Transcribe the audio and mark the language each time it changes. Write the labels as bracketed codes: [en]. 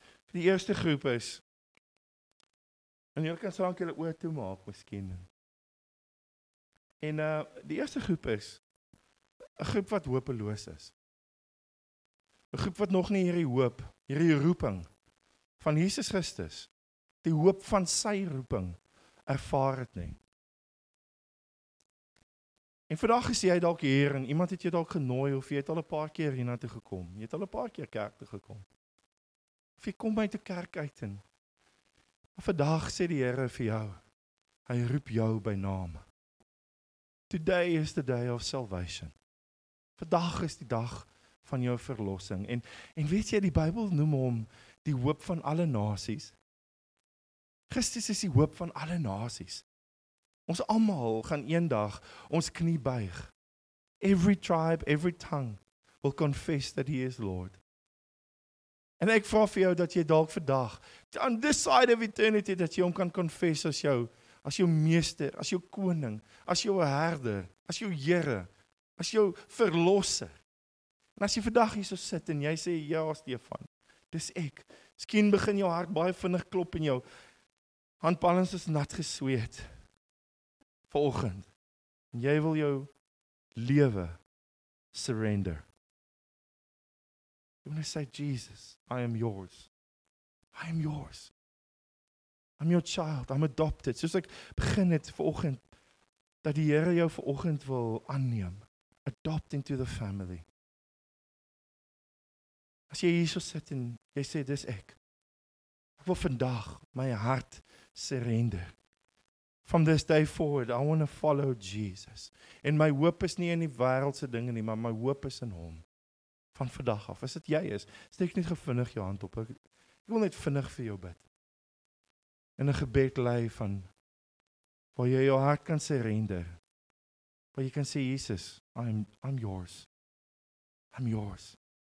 [af] Die eerste groep is, en jy kan saam julle oë toemaak miskien. En die eerste groep is, een groep wat hopeloos is. Een groep wat nog nie hierdie hoop, hierdie roeping van Jesus Christus, die hoop van sy roeping, ervaar het nie. En vandag is jy dalk hier en iemand het jy dalk genooi of jy het al een paar keer hierna toe gekom. Jy het al een paar keer kerk toe gekom. Of jy kom by die kerk uit en vandag sê die Here vir jou, hy roep jou by naam. [en] Today is the day of salvation. [af] Vandag is die dag van jou verlossing. En weet jy, die Bybel noem hom die hoop van alle nasies. Christus is die hoop van alle nasies. Ons allemaal gaan een dag ons knie buig. [en] Every tribe, every tongue will confess that he is Lord. [af] En ek vraag vir jou dat jy dalk vandag, [en] on this side of eternity, [af] dat jy hom kan confess as jou meester, as jou koning, as jou herder, as jou Here, as jou verlosser. En as jy vandag hier so sit en jy sê, ja Stefan, dis ek. Miskien begin jou hart baie vinnig klop in jou. Handpalms is nat gesweet. Vanoggend. En jy wil jou lewe surrender. [en] You want to say, Jesus, I am yours. I am yours. I'm your child. I'm adopted. [af] Soos ek begin het vanoggend, dat die Here jou vanoggend wil aanneem. [en] Adopt into the family. [af] As jy hier so sit en jy sê, dis ek. Ek wil vandag my hart surrender. [en] From this day forward, I want to follow Jesus. [af] En my hoop is nie in die wereldse dinge nie, maar my hoop is in hom. Van vandag af. As dit jy is, steek net gevinnig jou hand op. Ek wil net vinnig vir jou bid. In 'n gebed lei van, waar jy jou hart kan surrender. Waar jy kan sê, Jesus, [en] I'm yours. I'm yours.